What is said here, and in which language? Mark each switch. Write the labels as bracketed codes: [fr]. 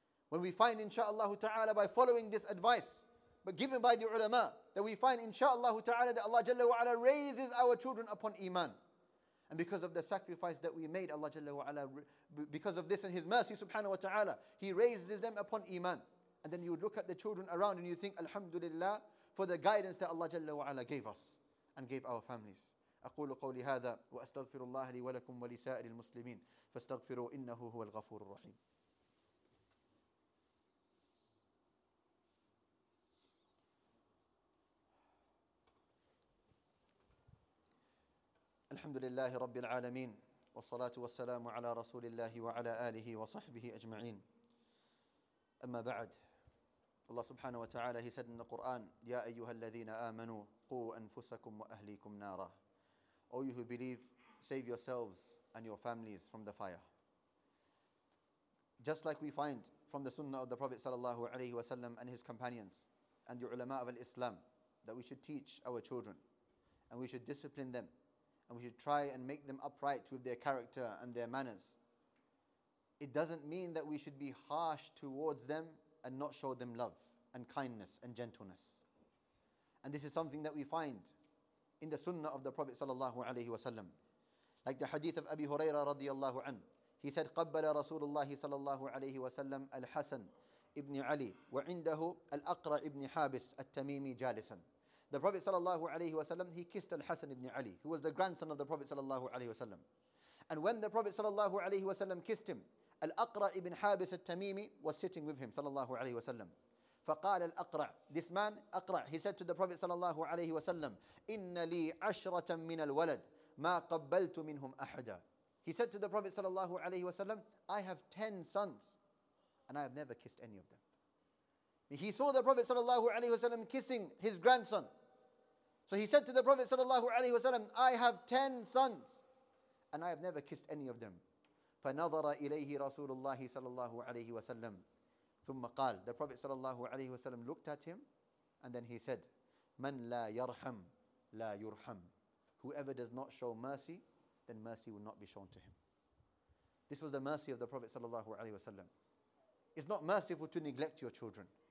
[en] When we find, inshaAllah ta'ala, by following this advice, but given by the ulama, that we find, inshaAllah ta'ala, that Allah Jalla wa'ala raises our children upon iman. And because of the sacrifice that we made, Allah Jalla wa'ala, because of this and His mercy, subhanahu wa ta'ala, He raises them upon iman. And then you look at the children around and you think, alhamdulillah, for the guidance that Allah Jalla wa'ala gave us and gave our families. [ar] أقول قولي هذا وأستغفر الله لي ولكم ولسائر المسلمين فاستغفروا إنه هو الغفور الرحيم. الحمد لله رب العالمين والصلاة والسلام على رسول الله وعلى آله وصحبه أجمعين. أما بعد, الله سبحانه وتعالى, [en] he said in the Quran, [ar] يا أيها الذين آمنوا قوا أنفسكم وأهليكم نارا. [en] O you who believe, save yourselves and your families from the fire. Just like we find from the sunnah of the Prophet sallallahu alayhi wa sallam and his companions and the ulama of Islam, that we should teach our children and we should discipline them and we should try and make them upright with their character and their manners. It doesn't mean that we should be harsh towards them and not show them love and kindness and gentleness. And this is something that we find in the sunnah of the Prophet sallallahu alayhi wa sallam. Like the hadith of Abi Huraira radiallahu an, he said, [ar] قَبَّلَ رَسُولُ اللَّهِ صَلَى اللَّهُ عَلَيْهِ وَسَلَّمَ الْحَسَنِ ibn Ali وَعِنْدَهُ الْأَقْرَ ibn حَابِسِ التَّمِيمِ جَالِسًا. [en] The Prophet sallallahu alayhi wa sallam, he kissed al-Hasan ibn Ali, who was the grandson of the Prophet sallallahu alayhi wa sallam. And when the Prophet sallallahu alayhi wa sallam kissed him, al-Aqra ibn Habis al-Tamimi was sitting with him sallallahu alayhi wa sallam. [ar] فقال الأقرع, [en] this man [ar] أقرع, [en] he said to the Prophet [ar] صلى الله عليه وسلم, إن لي عشرة من الولد ما قبلت منهم أحدا. [en] He said to the Prophet صلى الله عليه وسلم, I have 10 sons and I have never kissed any of them. He saw the Prophet صلى الله عليه وسلم kissing his grandson. So he said to the Prophet صلى الله عليه وسلم, I have 10 sons and I have never kissed any of them. [ar] فنظر إليه رسول الله صلى الله عليه وسلم. [en] The Prophet sallallahu alayhi wasallam looked at him and then he said, [ar] Man la yarham, la yurham. [en] Whoever does not show mercy, then mercy will not be shown to him. This was the mercy of the Prophet sallallahu alayhi wasallam. It's not merciful to neglect your children.